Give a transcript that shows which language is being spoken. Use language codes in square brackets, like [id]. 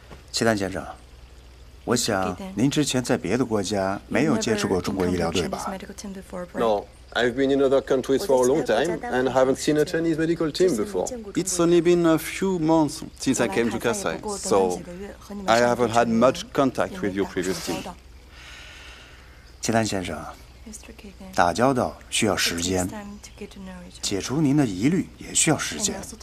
[zh] 齐丹先生，我想您之前在别的国家没有接触过中国医疗队吧 [en] ？No, I've been in other countries for a long time and haven't seen a Chinese medical team before. It's only been a few months since I came to Kasai, so I haven't had much contact with your previous team. [zh] 齐丹先生，打交道需要时间，解除您的疑虑也需要时间。